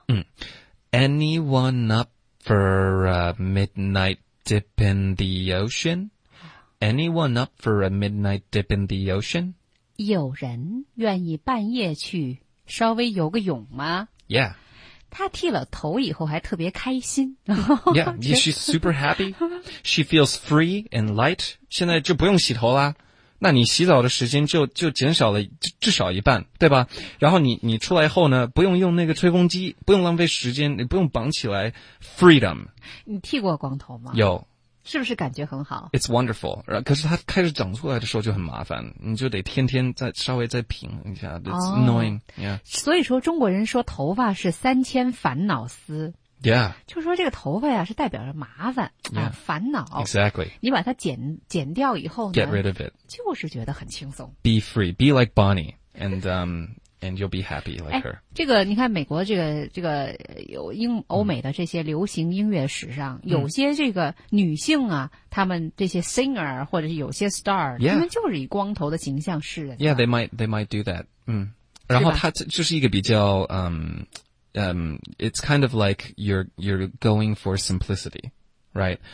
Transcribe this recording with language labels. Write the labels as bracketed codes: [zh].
[en] 嗯 ，anyone up for a midnight？ Dip in the ocean? Anyone up for a midnight dip in the ocean? [zh] 有人愿意半夜去稍微游个泳吗？ [en] Yeah. [zh] 她剃了头以后还特别开心。 [en] Yeah, she's super happy. She feels free and light. [zh] 现在就不用洗头啦。那你洗澡的时间就减少了至少一半，对吧？然后你出来以后呢，不用用那个吹风机，不用浪费时间，你不用绑起来 ，freedom。你剃过光头吗？有。是不是感觉很好 [en] ？It's wonderful。 [zh] 可是它开始长出来的时候就很麻烦，你就得天天再稍微再平一下。 [en] It's annoying、 oh,。 Yeah。 [zh] 所以说中国人说头发是三千烦恼丝。 [en] Yeah。 [zh] 就说这个头发呀、啊、是代表着麻烦、 [en] yeah. [zh] 啊烦恼。 [en] Exactly。 [zh] 你把它剪掉以后呢 [en] ？Get rid of it。 [zh] 就是觉得很轻松。 [en] Be free. Be like Bonnie and and you'll be happy like her。 [zh] 这个你看美国这个有欧美的这些流行音乐史上、嗯、有些这个女性啊她们这些 singer 或者是有些 star、 [en] yeah. [zh] 她们就是以光头的形象示人。 [en] Yeah, they might do that. 嗯。 [zh] 然后它就是一个比较 [en] it's kind of like you're going for simplicity, right?